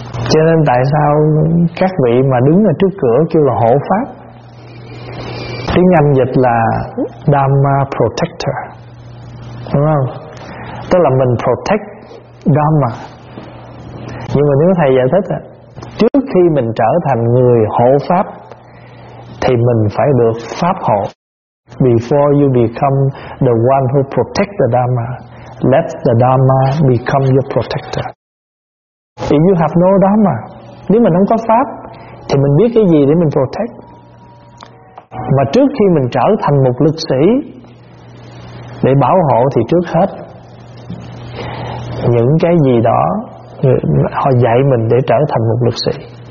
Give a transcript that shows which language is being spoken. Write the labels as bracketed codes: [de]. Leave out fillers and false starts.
[vi] Cho nên tại sao các vị mà đứng ở trước cửa kêu là hộ pháp, tiếng Anh dịch là Dharma Protector, đúng không? Tức là mình protect Dharma. Nhưng mà nếu thầy giải thích, trước khi mình trở thành người hộ pháp thì mình phải được pháp hộ. [en] Before you become the one who protect the Dharma, let the Dharma become your protector. If you have no Dharma, [vi] nếu mình không có pháp thì mình biết cái gì để mình protect? Mà trước khi mình trở thành một lực sĩ để bảo hộ thì trước hết những cái gì đó họ dạy mình để trở thành một lực sĩ.